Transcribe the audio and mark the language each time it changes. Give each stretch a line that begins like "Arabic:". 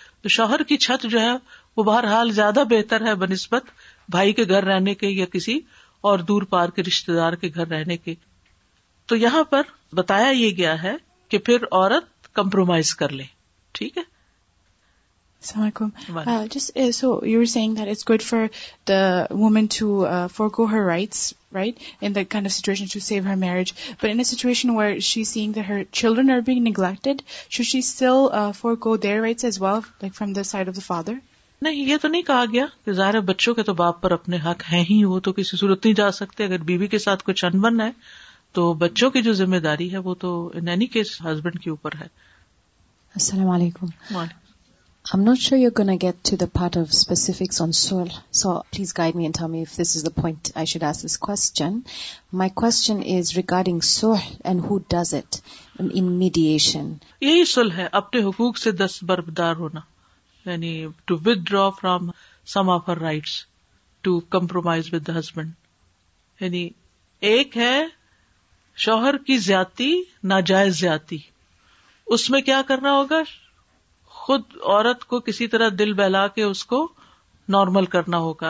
Urdu: تو شوہر کی چھت جو ہے وہ بہرحال زیادہ بہتر ہے بنسبت بھائی کے گھر رہنے کے یا کسی اور دور پار کے رشتہ دار کے گھر رہنے کے. تو یہاں پر بتایا یہ گیا ہے کہ پھر عورت کمپرومائز کر لے، ٹھیک ہے.
Arabic: Assalamu alaikum.
English: So you were saying that it's good for the woman to forego her rights, right, in that kind of situation to save her marriage. But in a situation where she's seeing that her children are being neglected, should she still forego their rights as well, like from the side of the father?
Urdu: نہیں, یہ تو نہیں کہا گیا کہ ظاہر ہے بچوں کے تو باپ پر اپنے حق ہیں ہی, وہ تو کسی صورت نہیں جا سکتے. اگر بیوی کے ساتھ کچھ انبن ہے تو بچوں کی جو ذمہ داری ہے وہ تو
English: in any case
Urdu: ہسبینڈ کے اوپر ہے.
Arabic: السلام علیکم.
English: I'm not sure you're going to get to the part of specifics on sulh, so please guide me and tell me if this is the point I should ask this question. My question is regarding sulh and who does it in mediation.
Urdu: یہی سلح ہے, اپنے حقوق سے دست بردار ہونا, یعنی
English: To withdraw from some of her rights, to compromise with the husband.
Urdu: یعنی ایک ہے شوہر کی زیادتی, ناجائز زیادتی, اس میں کیا کرنا ہوگا, خود عورت کو کسی طرح دل بہلا کے اس کو نارمل کرنا ہوگا.